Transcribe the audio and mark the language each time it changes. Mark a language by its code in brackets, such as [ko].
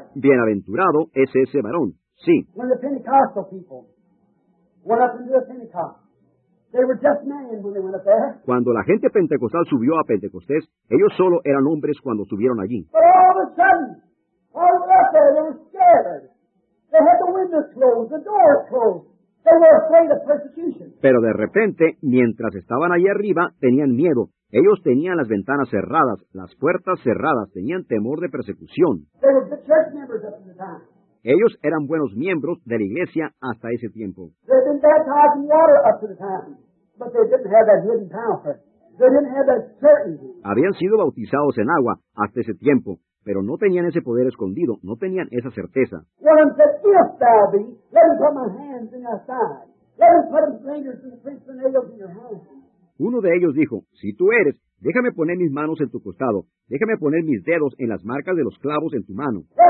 [es] Bienaventurado es ese varón, sí. [en] When the Pentecostal people went up into the Pentecost, they were just men when they went up there. [es] Cuando la gente pentecostal subió a Pentecostés, ellos solo eran hombres cuando subieron allí. [en] But all of a sudden, all of us there, they were scared. They had the windows closed, the doors closed. They were afraid of persecution. [es] Pero de repente, mientras estaban allí arriba, tenían miedo. Ellos tenían las ventanas cerradas, las puertas cerradas, tenían temor de persecución. [en] They were good church members up to the time. [es] Ellos eran buenos miembros de la iglesia hasta ese tiempo. [en] They'd been baptized in water up to the time, but they didn't have that hidden power. They didn't have that certainty. [es] Habían sido bautizados en agua hasta ese tiempo, pero no tenían ese poder escondido, no tenían esa certeza. [en] One of them said, if thou be, let him put my hands in your side. Let him put his fingers and the prints of nails in your hands. [es] Uno de ellos dijo, si tú eres, déjame poner mis manos en tu costado. Déjame poner mis dedos en las marcas de los clavos en tu mano.